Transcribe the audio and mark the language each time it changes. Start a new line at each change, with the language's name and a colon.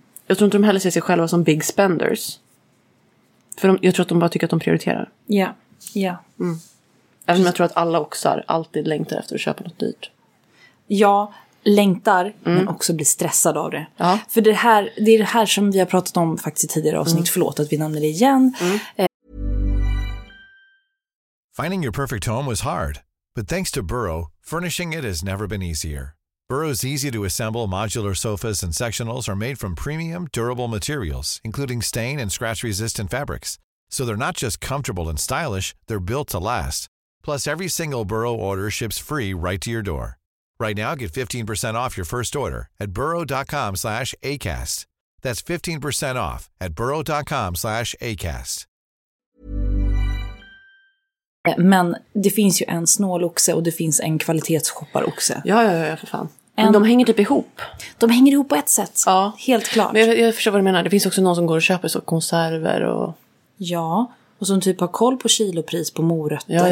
Swedish: Jag tror inte de heller ser sig själva som
English: big spenders.
Swedish: För jag tror att de bara tycker att de prioriterar. Ja, yeah. Ja. Yeah. Mm. Även om jag tror att alla också alltid längtar efter att köpa något dyrt. Ja, längtar, men också blir stressad av det. Ja. För det är det här som vi har pratat om faktiskt tidigare avsnitt. Förlåt att vi nämner det igen. Mm.
English: Finding your perfect home was hard. But thanks to Burrow, furnishing it has never been easier. Burrow's easy-to-assemble modular sofas and sectionals are made from premium, durable materials, including stain and scratch-resistant fabrics. So they're not just comfortable and stylish, they're built to last. Plus, every single Burrow order ships free right to your door. Right now, get 15% off your first order at burrow.com/acast. That's 15% off at burrow.com/acast.
Swedish: Men det finns ju en snåloxe och det finns en kvalitetsshopparoxe. Ja, för fan. Men de hänger typ ihop. De hänger ihop på ett sätt. Ja. Helt klart. Men jag förstår vad du menar. Det finns också någon som går och köper så konserver och... Ja. Och som typ har koll på kilopris på morötter.